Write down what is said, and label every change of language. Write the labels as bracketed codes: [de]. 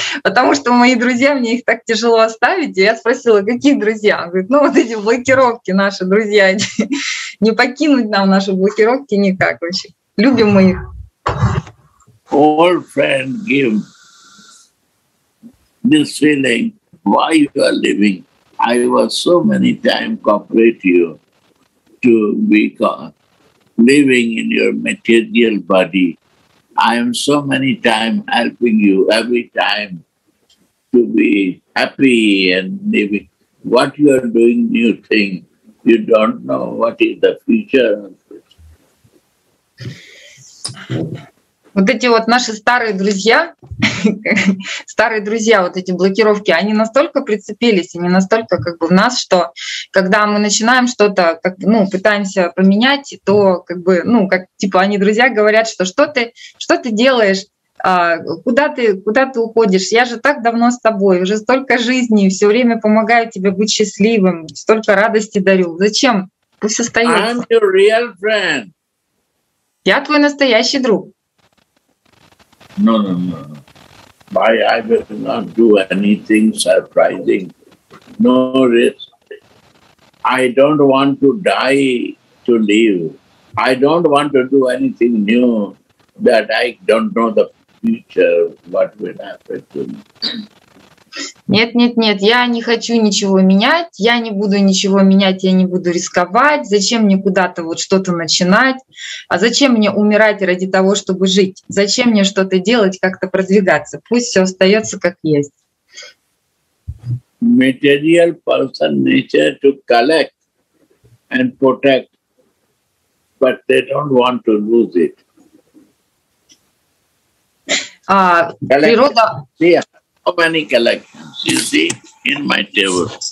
[ru] Потому что мои друзья, мне их так тяжело оставить. И я спросила, какие друзья? Он говорит, ну вот эти блокировки наши друзья. Не покинуть нам наши блокировки никак вообще. Любим мы их. [en] All friend give this feeling, why you are leaving? I was so many times compared to you to be living in your material body. I am so many times helping you every time to be happy and living. What you are doing, new thing, you don't know what is the future. [ru] Вот эти вот наши старые друзья, старые друзья, вот эти блокировки, они настолько прицепились, они настолько как бы в нас, что когда мы начинаем что-то, как, ну, пытаемся поменять, то как бы, ну, как типа они друзья говорят, что ты делаешь, куда ты уходишь, я же так давно с тобой, уже столько жизни, все время помогаю тебе быть счастливым, столько радости дарю, зачем? Пусть остается. [en] I'm your real friend. [ru] Я твой настоящий друг. [en] No. I will not do anything surprising. No risk. I don't want to die to live. I don't want to do anything new that I don't know the future, what will happen to me. [ru] Нет, я не хочу ничего менять, я не буду ничего менять, я не буду рисковать, зачем мне куда-то вот что-то начинать, а зачем мне умирать ради того, чтобы жить, зачем мне что-то делать, как-то продвигаться, пусть все остается как есть. [en] Material person nature to collect and protect, but they don't want to lose it. [ru] Природа... [en] How many collections you see in my table?